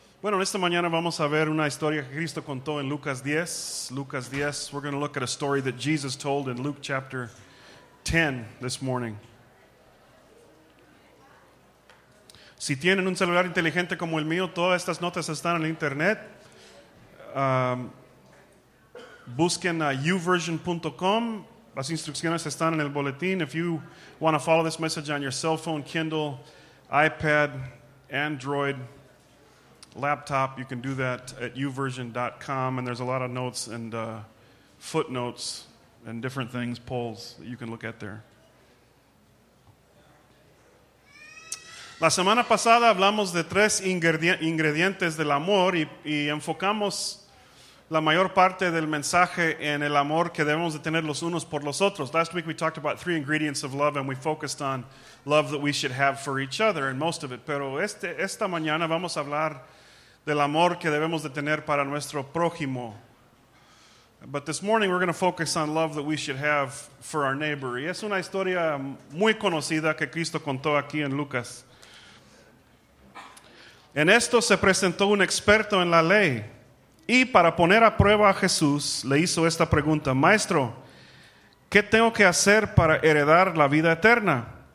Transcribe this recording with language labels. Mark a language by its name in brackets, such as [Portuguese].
[Spanish] Bueno, esta mañana vamos a ver una historia que Cristo contó en Lucas 10. [English] Lucas 10, we're going to look at a story that Jesus told in Luke chapter 10 this morning. [Spanish] Si tienen un celular inteligente como el mío, todas estas notas están en internet. Busquen uversion.com. Las instrucciones están en el boletín. [English] If you want to follow this message on your cell phone, Kindle, iPad, Android, laptop, you can do that at uversion.com, and there's a lot of notes and footnotes and different things, polls that you can look at there. [Spanish] La semana pasada hablamos de tres ingredientes del amor y enfocamos la mayor parte del mensaje en el amor que debemos de tener los unos por los otros. [English] Last week we talked about three ingredients of love, and we focused on love that we should have for each other and most of it. [Spanish] Pero esta mañana vamos a hablar del amor que debemos de tener para nuestro prójimo. [English] But this morning we're going to focus on love that we should have for our neighbor. [Spanish] Y es una historia muy conocida que Cristo contó aquí en Lucas. En esto se presentó un experto en la ley, y para poner a prueba a Jesús, le hizo esta pregunta: Maestro, ¿qué tengo que hacer para heredar la vida eterna?